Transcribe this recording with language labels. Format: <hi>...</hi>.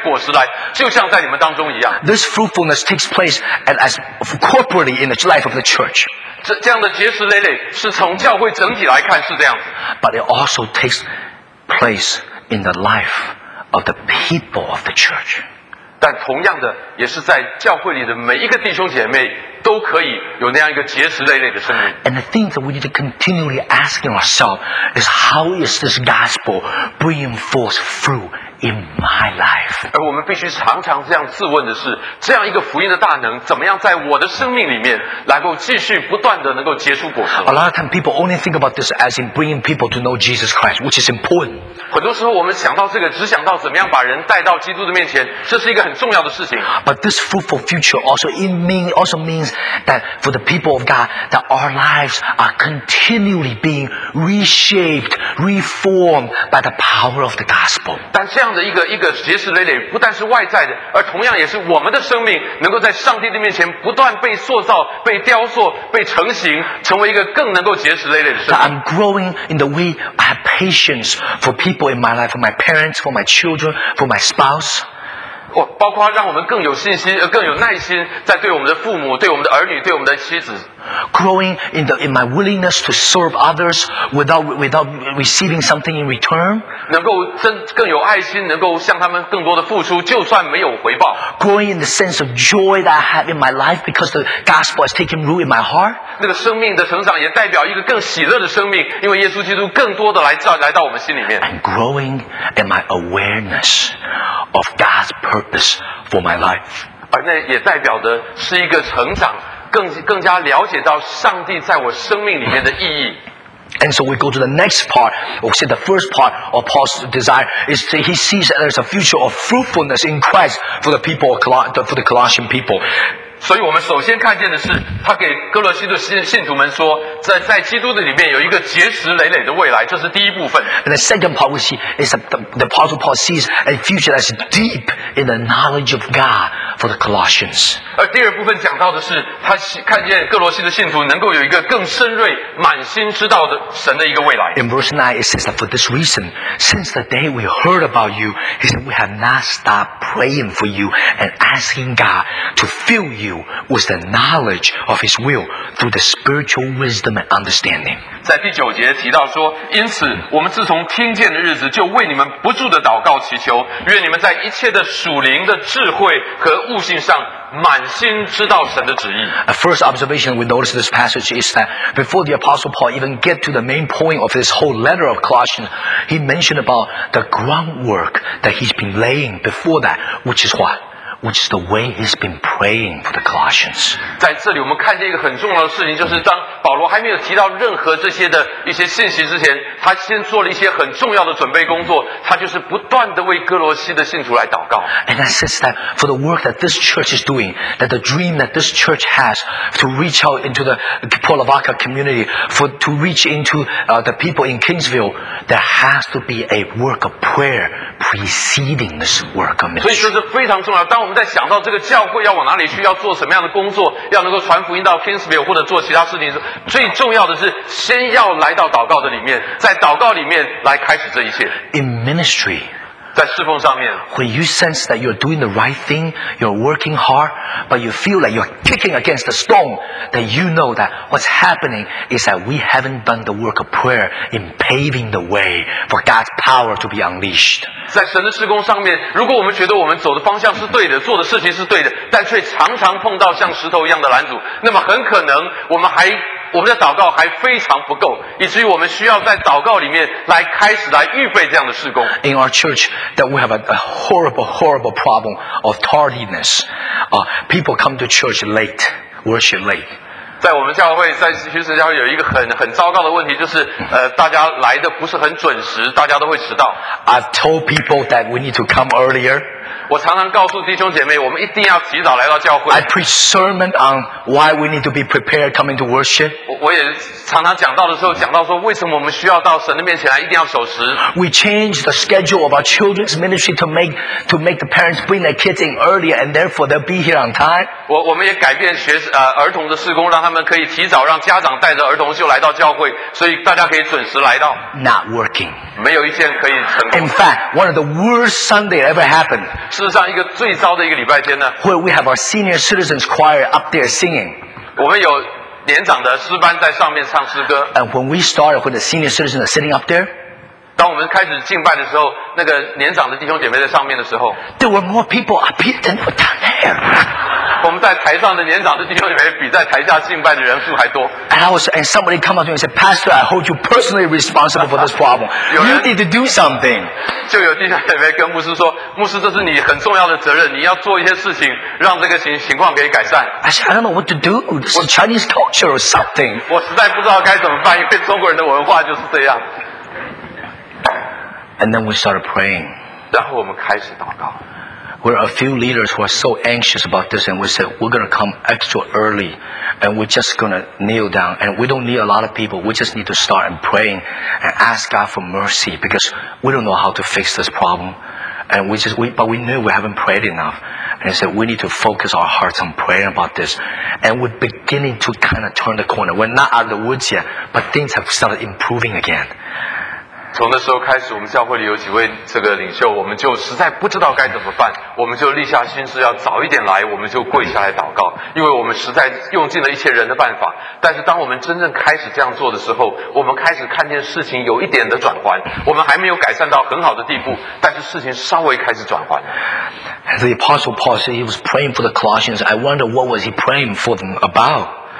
<en>This fruitfulness takes place as corporately in the life of the church. But it also takes place in the life of the people of the church.</en> <zh>但同样的，也是在教会里的每一个弟兄姐妹都可以有那样一个结实累累的生命。</zh> <en>And the things that we need to continually asking ourselves is how is this gospel bringing forth fruit in my life?</en> <zh>而我们必须常常这样自问的是，这样一个福音的大能，怎么样在我的生命里面能够继续不断的能够结出果子</zh> <en>？A lot of time people only think about this as in bringing people to know Jesus Christ, which is important.</en> <zh>很多时候我们想到这个，只想到怎么样把人带到基督的面前，这是一个很重要的事情。</zh> <en>But this fruitful future also means that for the people of God, that our lives are continually being reshaped, reformed by the power of the gospel.</en> <zh>但这样的一个结实累累，不但是外在的，而同样也是我们的生命能够在上帝的面前不断被塑造、被雕塑、被成型，成为一个更能够结实累累的生命。</zh> <en>I'm growing in the way I have patience for people. In my life, for my parents, for my children, for my spouse.</en> <zh>哦，包括让我们更有信心、更有耐心，在对我们的父母、对我们的儿女、对我们的妻子。</zh> <en>Growing in my willingness to serve others without receiving something in return.</en> <zh>能够更有爱心，能够向他们更多的付出，就算没有回报。</zh> <en>Growing in the sense of joy that I have in my life because the gospel has taken root in my heart.</en> <zh>那个生命的成长也代表一个更喜乐的生命，因为耶稣基督更多的来到我们心里面。</zh> <en>And growing in my awareness of God's purpose for my life.</en> <zh>而那也代表的是一个成长。更加了解到上帝在我生命里面的意义。</zh> <en>And so we go to the next part. We see the first part of Paul's desire is that he sees that there's a future of fruitfulness in Christ for the people, for the Colossian people.</en> <zh>所以我们首先看见的是，他给哥罗西的信徒们说，在基督的里面有一个结实累累的未来，这是第一部分。</zh> <en>And the second part we see is the Apostle Paul sees a future that's deep in the knowledge of God. For the Colossians.</en> <zh>而第二部分讲到的是，他看见哥罗西的信徒能够有一个更深锐、满心知道的神的一个未来。</zh> <en>In verse 9, it says that for this reason, since the day we heard about you, he said, we have not stopped praying for you and asking God to fill you with the knowledge of His will through the spiritual wisdom and understanding.</en> <zh>在第九节提到说，因此我们自从听见的日子，就为你们不住的祷告祈求，愿你们在一切的属灵的智慧和悟性上满心知道神的旨意。</zh> <en>A first observation we notice in this passage is that before the Apostle Paul even get to the main point of this whole letter of Colossians, he mentioned about the groundwork that he's been laying before that, which is what? Which is the way he's been praying for the Colossians.</en> <zh>在这里我们看见一个很重要的事情，就是当保罗还没有提到任何这些的一些信息之前，他先做了一些很重要的准备工作，他就是不断的为哥罗西的信徒来祷告。</zh> <en>And that says that for the work that this church is doing, that the dream that this church has to reach out into the Polovaca community, to reach into the people in Kingsville, there has to be a work of prayer preceding this work of ministry.</en> <zh>所以说是非常重要。当我们在想到这个教会要往哪里去，要做什么样的工作，要能够传福音到 Kingsville 或者做其他事情，最重要的是先要来到祷告的里面，在祷告里面来开始这一切。</zh> <en>In ministry,</en> <zh>在侍奉上面，</zh> <en>when you sense that you're doing the right thing, you're working hard, but you feel like you're kicking against the stone, then you know that what's happening is that we haven't done the work of prayer in paving the way for God's power to be unleashed.</en> <zh>在神的事工上面，如果我们觉得我们走的方向是对的，做的事情是对的，但却常常碰到像石头一样的拦阻，那么很可能我们还我们的祷告还非常不够，以至于我们需要在祷告里面来开始来预备这样的事工。</zh> <en>In our church, that we have a horrible, horrible problem of tardiness. People come to church late, worship late.</en> <zh>在我们教会，在其实教会有一个很糟糕的问题，就是大家来的不是很准时，大家都会迟到。</zh> <en>I've told people that we need to come earlier.</en> <zh>我常常告诉弟兄姐妹，我们一定要提早来到教会。</zh> <en>I preach sermon on why we need to be prepared coming to worship.</en> <zh>我也常常讲到的时候，讲到说为什么我们需要到神的面前来，一定要守时。</zh> <en>We change the schedule of our children's ministry to make the parents bring their kids in earlier, and therefore they'll be here on time.</en> <zh>我们也改变儿童的事工，让他们可以提早让家长带着儿童就来到教会，所以大家可以准时来到。</zh> <en>Not working.</en> <zh>没有一件可以成功。</zh> <en>In fact, one of the worst Sunday ever happened.</en> <zh>事实上，一个最糟的一个礼拜天呢。</zh> <en>Where we have our senior citizens choir up there singing.</en> <zh>我们有年长的诗班在上面唱诗歌。</zh> <en>And when we started, when the senior citizens are sitting up there.</en> <zh>当我们开始敬拜的时候，那个年长的弟兄姐妹在上面的时候。</zh> <en>There were more people up here than down there.</en> <zh>我们在台上的年长的弟兄姐妹比在台下敬拜的人数还多。</zh> <en>And somebody come up to me and said, Pastor, I hold you personally responsible for this problem. You need to do something.</en> <zh>就有弟兄姐妹跟牧师说，牧师，这是你很重要的责任，你要做一些事情，让这个情况可以改善。</zh> <en>I said, I don't know what to do. This is Chinese culture or something.</en> <zh>我实在不知道该怎么办，因为中国人的文化就是这样。</zh> <en>And then we started praying.</en> <zh>然后我们开始祷告。</zh> <en>We're a few leaders who are so anxious about this, and we said, we're going to come extra early, and we're just going to kneel down, and we don't need a lot of people, we just need to start and praying, and ask God for mercy, because we don't know how to fix this problem, and we knew we haven't prayed enough, and I said, we need to focus our hearts on praying about this, and we're beginning to kind of turn the corner, we're not out of the woods yet, but things have started improving again.</en> <zh>从那时候开始，我们教会里有几位这个领袖，我们就实在不知道该怎么办，我们就立下心思要早一点来，我们就跪下来祷告，因为我们实在用尽了一切人的办法。但是当我们真正开始这样做的时候，我们开始看见事情有一点的转圜，我们还没有改善到很好的地步，但是事情稍微开始转圜。</zh> <en>The Apostle Paul said he was praying for the Colossians. I wonder what was he praying for them about?</en>